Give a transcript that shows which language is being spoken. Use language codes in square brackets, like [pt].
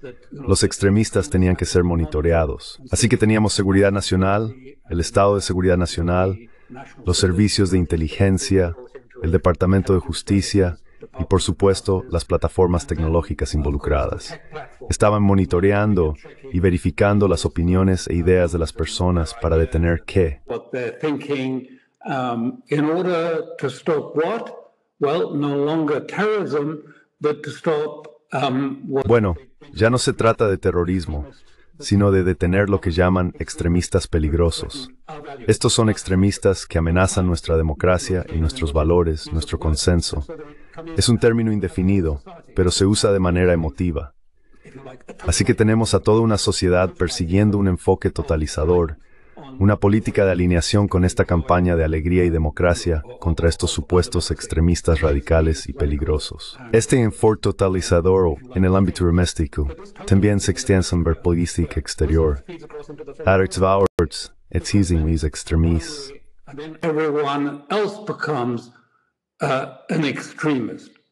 [es] Los extremistas tenían que ser monitoreados. Así que teníamos seguridad nacional, el Estado de Seguridad Nacional, los servicios de inteligencia, el Departamento de Justicia y, por supuesto, las plataformas tecnológicas involucradas. Estaban monitoreando y verificando las opiniones e ideas de las personas para detener qué. [en] In order to stop what? Well, no longer terrorism, but to stop what? [es] Bueno, ya no se trata de terrorismo, sino de detener lo que llaman extremistas peligrosos. Estos son extremistas que amenazan nuestra democracia y nuestros valores, nuestro consenso. Es un término indefinido, pero se usa de manera emotiva. Así que tenemos a toda una sociedad persiguiendo un enfoque totalizador, una política de alineación con esta campaña de alegría y democracia contra estos supuestos extremistas radicales y peligrosos. Este enfoque totalizador en el ámbito doméstico también se extiende en la política exterior. Ahora, es a veces, es usando estos extremistas. [en] Everyone else becomes an extremist.